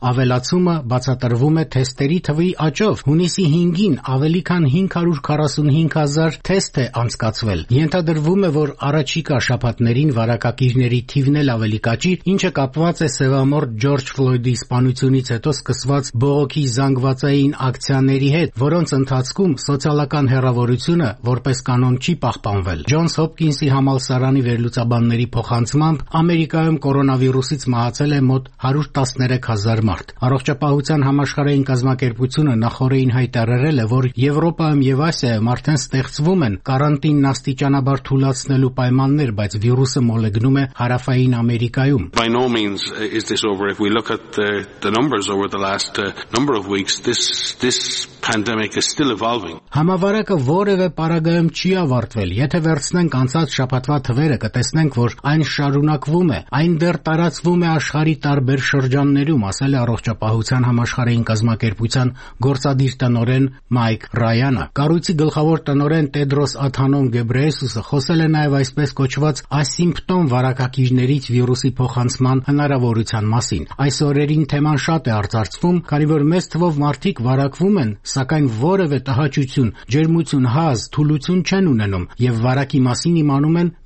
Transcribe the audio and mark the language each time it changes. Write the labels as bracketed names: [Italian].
[Armenian] Ավելացումը բացատրվում է թեստերի թվի աճով։ Հունիսի 5-ին ավելի քան 545,000 թեստ է անցկացվել։ Ենթադրվում է, որ առաջիկա շաբաթներին վարակակիրների թիվն էլ ավելի կաճի, ինչը կապված է սևամորտ Ջորջ Ֆլոյդի սպանությունից հետո սկսված բողոքի զանգվածային ակցիաների հետ, որոնց ընթացքում սոցիալական հեռավորությունը որպես կանոն չի պահպանվել։ Ջոնս Հոփկինսի համալսարանի վերլուծաբանների փոխանցմամբ Ամերիկայում կորոնավիրուսից մահացել է մոտ 113,000 մարդ։ Առողջապահության համաշխարհային կազմակերպությունը նախորդին հայտարարել է, որ Եվրոպայում և Ասիայում արդեն ստեղծվում են կարանտինն աստիճանաբար թուլացնելու պայմաններ, բայց վիրուսը մոլեգնում է Հարավային Ամերիկայում։ [English] By no means is this over. If we look at the numbers over the last number of weeks, this pandemic is still evolving. [Armenian] Համավարակը որևէ պարագայում չի ավարտվել։ Եթե վերցնենք անցած շաբաթվա թվերը, կտեսնենք, որ այն շարունակվում է, այն դեռ տարածվում է աշխարհի տարբեր շրջաններում, ասել է առողջապահության համաշխարհային կազմակերպության գործադիր տնորեն Մայք Ռայանը։ Կառույցի գլխավոր տնորեն Տեդրոս Աթանոմ Գեբրեյեսուսը խոսել է նաև այսպես կոչված ասիմպտոմ վարակակիրներից վիրուսի փոխանցման հնարավորության մասին։ Այս օրերին թեման շատ է արձարծվում, քանի որ մեծ թվով մարդիկ վարակվում են, սակայն որևէ տհաճություն, ջերմություն, հազ, թուլություն չեն ունենում և վարակի մասին իմանում են